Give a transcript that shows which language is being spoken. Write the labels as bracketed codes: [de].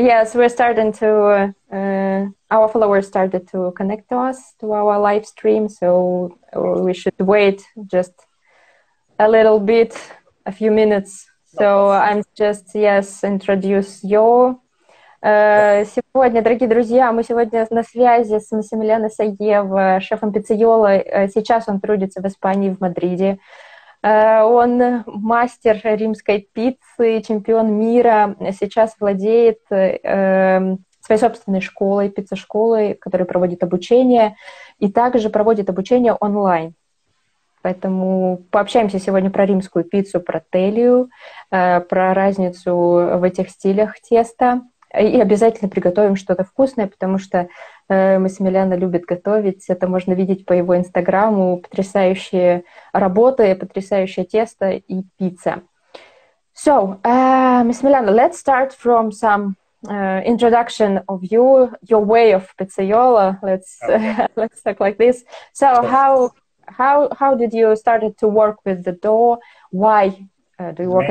[en] Yes, we're starting to, our followers started to connect to us, to our live stream, so we should wait just a little bit, a few minutes. So I'm just, yes, introduce you. [ru] Сегодня, дорогие друзья, мы сегодня на связи с Массимилиано Саева, шефом пиццайола. Сейчас он трудится в Испании, в Мадриде. Он мастер римской пиццы, чемпион мира, сейчас владеет своей собственной школой, пиццешколой, которая проводит обучение, и также проводит обучение онлайн. Поэтому пообщаемся сегодня про римскую пиццу, про телью, про разницу в этих стилях теста, и обязательно приготовим что-то вкусное, потому что Массимилиано любит готовить, это можно видеть по его инстаграму, потрясающие работы, потрясающее тесто и пицца. [en] So, Massimiliano, let's start from some introduction of you, your way of pizzaiola. Let's talk like this. So, how did you started to work with the dough? Why do you work many